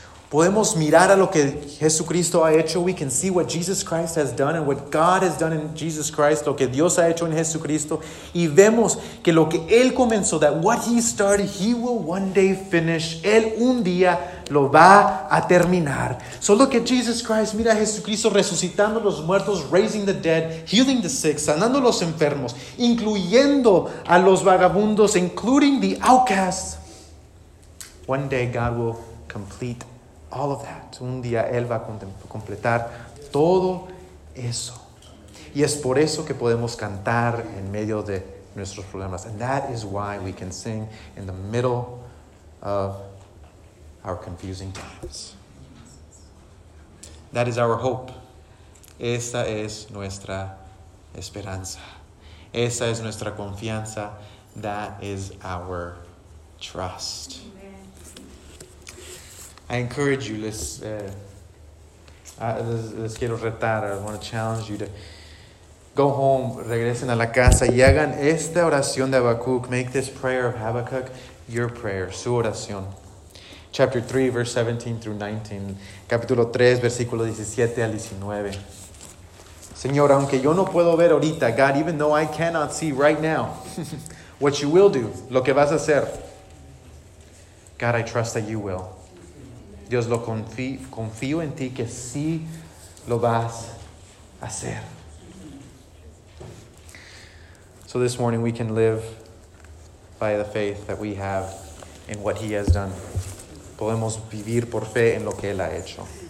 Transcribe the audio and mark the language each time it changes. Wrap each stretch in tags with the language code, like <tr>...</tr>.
<es>Podemos mirar a lo que Jesucristo ha hecho.</es> <en>We can see what Jesus Christ has done and what God has done in Jesus Christ.</en> <es>Lo que Dios ha hecho en Jesucristo. Y vemos que lo que Él comenzó,</es> <en>that what He started, He will one day finish.</en> <es>Él un día lo va a terminar.</es> <en>So look at Jesus Christ.</en> <es>Mira a Jesucristo resucitando los muertos,</es> <en>raising the dead, healing the sick,</en> <es>sanando los enfermos, incluyendo a los vagabundos,</es> <en>including the outcasts. One day God will complete all of that.</en> <es>Un día Él va a completar todo eso. Y es por eso que podemos cantar en medio de nuestros problemas.</es> <en>And that is why we can sing in the middle of our confusing times. That is our hope.</en> <es>Esa es nuestra esperanza. Esa es nuestra confianza.</es> <en>That is our trust. I encourage you,</en> <es>les quiero retar,</es> <en>I want to challenge you to go home,</en> <es>regresen a la casa y hagan esta oración de Habacuc,</es> <en>make this prayer of Habacuc your prayer,</en> <es>su oración.</es> <en>Chapter 3, verse 17 through 19,</en> <es>capítulo 3, versículo 17 al 19. Señor, aunque yo no puedo ver ahorita,</es> <en>God, even though I cannot see right now, what you will do,</en> <es>lo que vas a hacer,</es> <en>God, I trust that you will.</en> <es>Dios, lo confío en ti que sí lo vas a hacer.</es> <en>So this morning we can live by the faith that we have in what he has done.</en> <es>Podemos vivir por fe en lo que él ha hecho.</es>